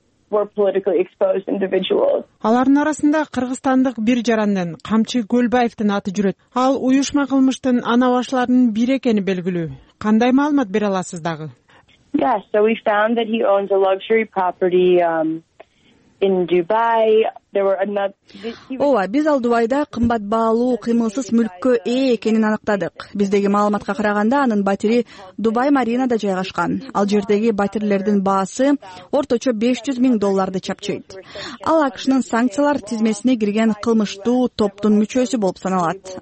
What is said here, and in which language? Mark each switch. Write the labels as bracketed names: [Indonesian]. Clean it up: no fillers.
[English] Were politically exposed individuals. [Kyrgyz] Алардын арасында кыргызстандык бир жарандын Камчы Көлбаевдин аты жүрөт. Ал уюшма кылмыштын аныбашыларынын бири экени белгилүү. Кандай маалымат бере аласыз дагы? [English] Yes, so we found that he owns a luxury property in Dubai. [Kyrgyz] Ооба, биз ал Дубайда кымбат баалуу кыймылсыз мүлккө ээ экенин аныктадык. Биздеги маалыматка караганда анын батири Дубай Маринада жайгашкан. Ал жердеги батирлердин баасы орточо 500 миң долларды чапчыйт. Ал АКШнын санкциялар тизмесине кирген кылмыштуу топтун мүчөсү болуп саналат.